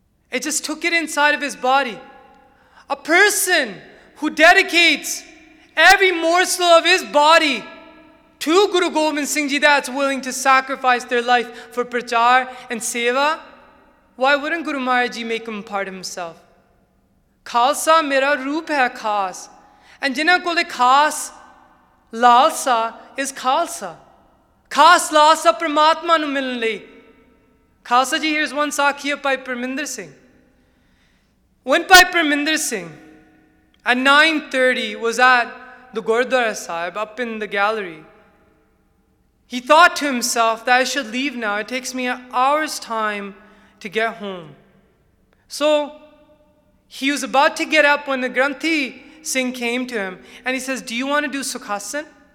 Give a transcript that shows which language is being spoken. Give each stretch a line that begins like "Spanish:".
English: It just took it inside of his body. A person who dedicates every morsel of his body to Guru Gobind Singh Ji, that's willing to sacrifice their life for prachar and seva, why wouldn't Guru Maharaj Ji make him part of himself?
Punjabi: Khalsa mera roop hai khas.
English: And
Punjabi: ਜਿਨ੍ਹਾਂ ਕੋਲੇ ਖਾਸ ਲਾਲਸਾ is Khalsa. ਖਾਸ ਲਾਲਸਾ ਪਰਮਾਤਮਾ ਨੂੰ ਮਿਲਣ ਲਈ.
English: Khalsa ji, here's one sakhi of Bhai Parminder Singh. When Bhai Parminder Singh at 9:30 was at the Gurdwara Sahib up in the gallery, he thought to himself that I should leave now. It takes me an hour's time to get home. So he was about to get up when the Granthi Singh came to him and he says, do you want to do Sukhasan?